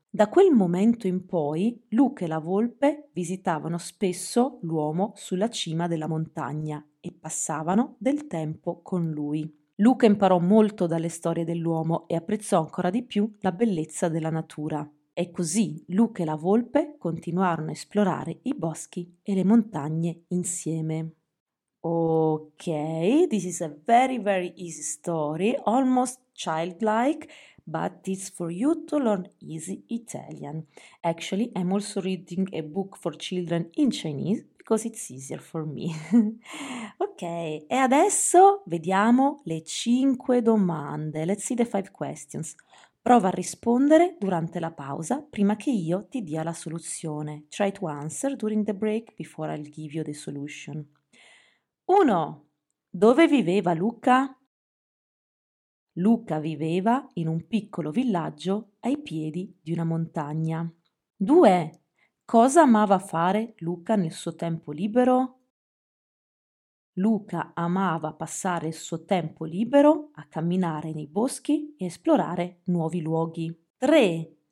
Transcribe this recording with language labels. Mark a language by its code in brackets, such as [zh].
[it] Da quel momento in poi Luca e la volpe visitavano spesso l'uomo sulla cima della montagna e passavano del tempo con lui. Luca imparò molto dalle storie dell'uomo e apprezzò ancora di più la bellezza della natura. E così Luca e la volpe continuarono a esplorare i boschi e le montagne insieme. [en] Ok, this is a very very easy story, almost childlike, but it's for you to learn easy Italian. Actually, I'm also reading a book for children in Chinese, because it's easier for me. [it] Ok, e adesso vediamo le 5 domande. [en] Let's see the 5 questions. [it] Prova a rispondere durante la pausa prima che io ti dia la soluzione. [en] Try to answer during the break before I'll give you the solution. [it] 1. Dove viveva Luca? Luca viveva in un piccolo villaggio ai piedi di una montagna. 2. Cosa amava fare Luca nel suo tempo libero? Luca amava passare il suo tempo libero a camminare nei boschi e esplorare nuovi luoghi. 3.